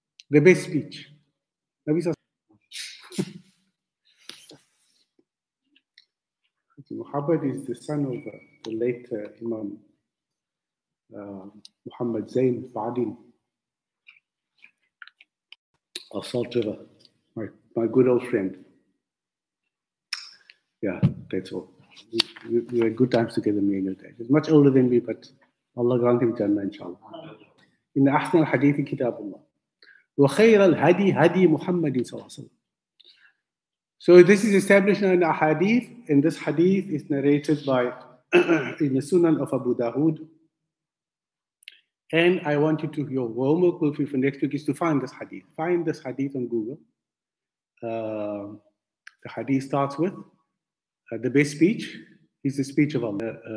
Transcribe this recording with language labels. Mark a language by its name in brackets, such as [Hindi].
[English] The best speech. Nabi Sallallahu Muhammad is the son of the late Imam Muhammad Zain Ba'din of Salt River, my good old friend. Yeah, that's all. We had good times together, me and your dad. He's much older than me, but Allah grant him Jannah, inshallah. In the [Arabic] Ahsan al-Hadithi Kitabullah. وخير الهدي هدي محمد صلى الله عليه وسلم. [English] So this is established now in a hadith, and this hadith is narrated by in the Sunan of Abu Dawood. And I want you to, your homework will be for next week is to find this hadith. Find this hadith on Google. The hadith starts with the best speech is the speech of Allah.